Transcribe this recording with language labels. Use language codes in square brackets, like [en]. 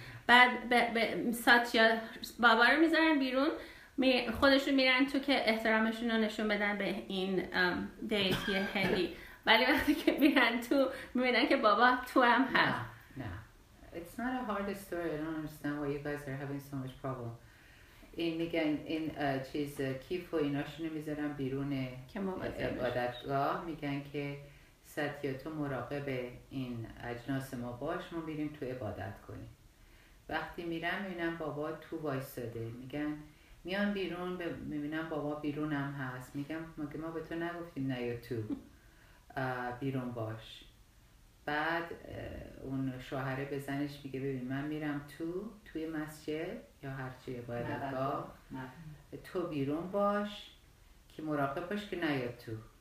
[fa] بعد ساتیا بابا رو میذارن بیرون، خودشون میرن تو که احترامشون رو نشون بدن به این دیتی هندی، ولی وقتی که میرن تو میبینن که بابا تو هم هست. [en] It's not a hard story. I don't understand why you guys are having so much problem. [fa] این میگن این چیز کیف و ایناشون رو میذارن بیرون عبادتگاه، میگن که ساتیا تو مراقب این اجناس ما باش، ما میریم تو عبادت کنیم. وقتی میرم میبینم بابا تو وایستاده، میگن میان بیرون میبینم بابا بیرونم هست، میگم مگه ما به تو نگفتیم نه یا تو بیرون باش؟ بعد اون شوهره به زنش میگه ببین من میرم تو توی مسجد یا هرچی عبادت با تو بیرون باش که مراقب باش که نه یا تو.